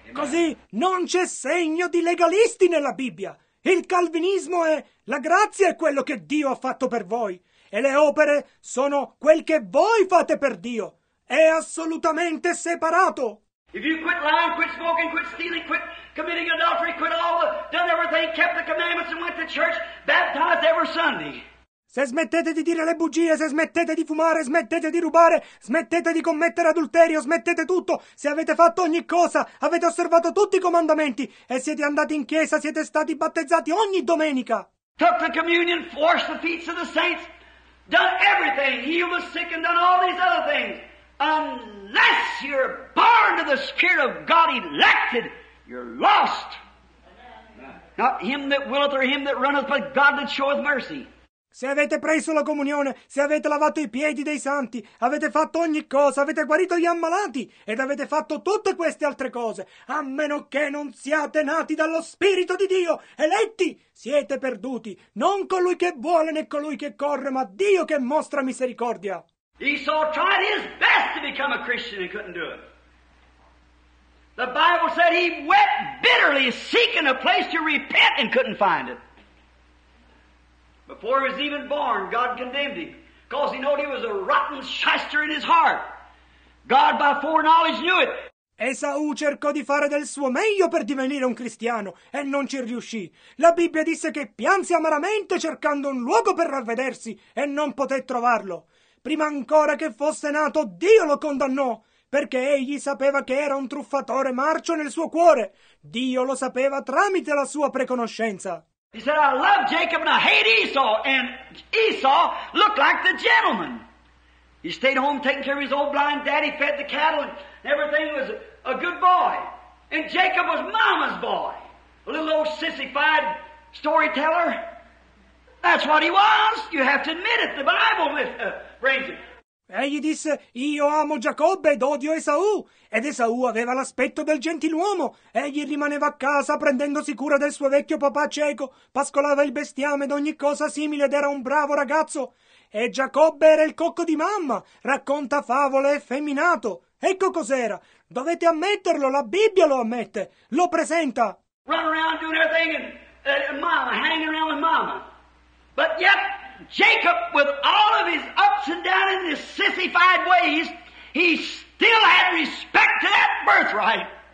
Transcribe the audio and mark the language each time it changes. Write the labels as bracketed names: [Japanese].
[Italian] Così non c'è segno di legalisti nella Bibbia. Il calvinismo è la grazia è quello che Dio ha fatto per voi, e le opere sono quel che voi fate per Dio. È assolutamente separato. [English] If you quit lying, quit smoking, quit stealing, quit committing adultery, quit all the, done everything, kept the commandments and went to church, baptized every Sunday. [Italian] Se smettete di dire le bugie, se smettete di fumare, smettete di rubare, smettete di commettere adulterio, smettete tutto, se avete fatto ogni cosa, avete osservato tutti i comandamenti e siete andati in chiesa, siete stati battezzati ogni domenica. [English] Took the communion, washed the feet of the saints, done everything, healed the sick and done all these other things. Unless you're born of the Spirit of God elected, you're lost. Not him that willeth or him that runneth, but God that showeth mercy. [Italian] Se avete preso la comunione, se avete lavato i piedi dei santi, avete fatto ogni cosa, avete guarito gli ammalati ed avete fatto tutte queste altre cose, a meno che non siate nati dallo Spirito di Dio, eletti, siete perduti, non colui che vuole né colui che corre, ma Dio che mostra misericordia. [English] Esau tried his best to become a Christian and couldn't do it. The Bible said he wept bitterly seeking a place to repent and couldn't find it. Before he was even born, God condemned him because he knew he was a rotten shyster in his heart. God by foreknowledge knew it. [Italian] Esau cercò di fare del suo meglio per divenire un cristiano e non ci riuscì. La Bibbia disse che pianse amaramente cercando un luogo per ravvedersi e non poté trovarlo. Prima ancora che fosse nato, Dio lo condannò, perché egli sapeva che era un truffatore marcio nel suo cuore. Dio lo sapeva tramite la sua preconoscenza. [English] He said, I love Jacob and I hate Esau, and Esau looked like the gentleman. He stayed home taking care of his old blind daddy, fed the cattle, and everything was a good boy. And Jacob was mama's boy, a little old sissified storyteller. That's what he was. You have to admit it. The Bible brings it. [Italian] Egli disse, io amo Giacobbe ed odio Esau. Ed Esau aveva l'aspetto del gentiluomo. Egli rimaneva a casa prendendosi cura del suo vecchio papà cieco, pascolava il bestiame ed ogni cosa simile ed era un bravo ragazzo. E Giacobbe era il cocco di mamma, racconta favole effeminato. Ecco cos'era. Dovete ammetterlo, la Bibbia lo ammette. Lo presenta. [English] Run around doing everything and mama, hanging around with mama. But yet, Jacob, with all of his ups and downs and his sissified ways, he still had respect to that birthright.